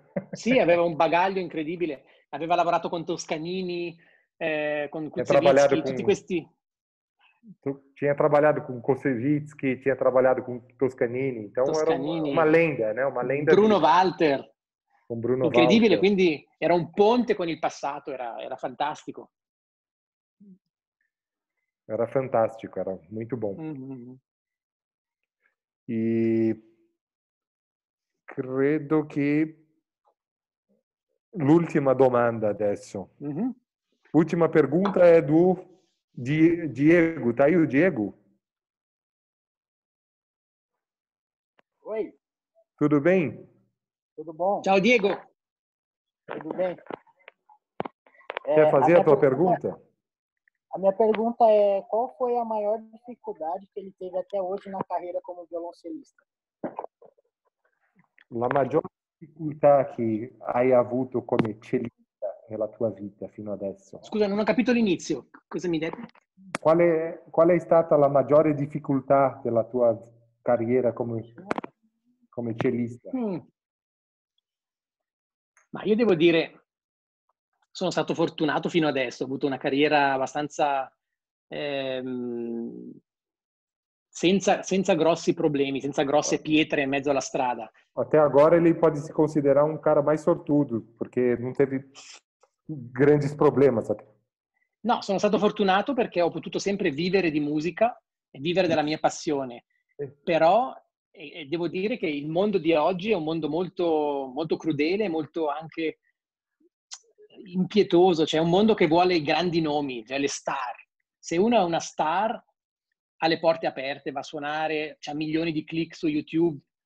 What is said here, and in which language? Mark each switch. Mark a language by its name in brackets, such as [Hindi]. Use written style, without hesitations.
[Italian] Sì, aveva un bagaglio incredibile, aveva lavorato con Toscanini, con Kuzewiczki, tutti questi. [Portuguese] Tu tinha trabalhado com Koussevitzky, tinha trabalhado com Toscanini, então Toscanini. Era uma lenda, né? Uma lenda. Bruno di... Walter. [Italian] Con Bruno incredibile, Walter. Quindi era un ponte con il passato, era fantastico. Era fantastico, era molto buono. E credo che l'ultima domanda adesso. [Portuguese] Ultima pergunta è do Diego. Tá aí o Diego? Oi. Tudo bem? Tudo bom. [Italian] Ciao, Diego. [Portuguese] Tudo bem. Quer fazer a tua pergunta? A minha pergunta é qual foi a maior dificuldade que ele teve até hoje na carreira como violoncelista? [Italian] La maggior difficoltà che hai avuto come cellista nella tua vita fino adesso. Scusa, non ho capito l'inizio. Cosa mi dici? Qual è stata la maggiore difficoltà della tua carriera come cellista? Ma io devo dire, sono stato fortunato fino adesso. Ho avuto una carriera abbastanza senza grossi problemi, senza grosse pietre in mezzo alla strada. [Portuguese] Até agora ele pode se considerar um cara mais sortudo, porque não teve grandi problemi. [Italian] No, sono stato fortunato perché ho potuto sempre vivere di musica e vivere della mia passione. Però devo dire che il mondo di oggi è un mondo molto, molto crudele, molto anche impietoso. Cioè, è un mondo che vuole i grandi nomi, cioè le star. Se uno è una star, ha le porte aperte, va a suonare, c'ha milioni di click su YouTube.